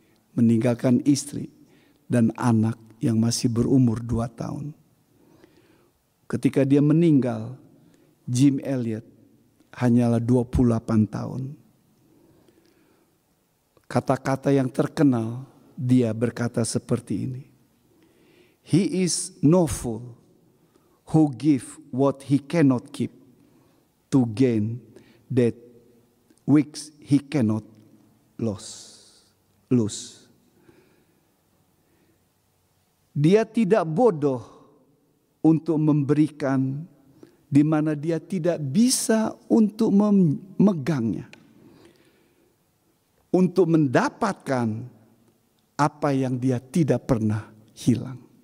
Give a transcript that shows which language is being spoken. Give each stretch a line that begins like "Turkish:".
Indonesian: Meninggalkan istri dan anak yang masih berumur 2 tahun. Ketika dia meninggal, Jim Elliot hanyalah 28 tahun. Kata-kata yang terkenal dia berkata seperti ini.
English: He is no fool who give what he cannot keep to gain that which he cannot lose.
Indonesian: Dia tidak bodoh untuk memberikan di mana dia tidak bisa untuk memegangnya, untuk mendapatkan apa yang dia tidak pernah hilang.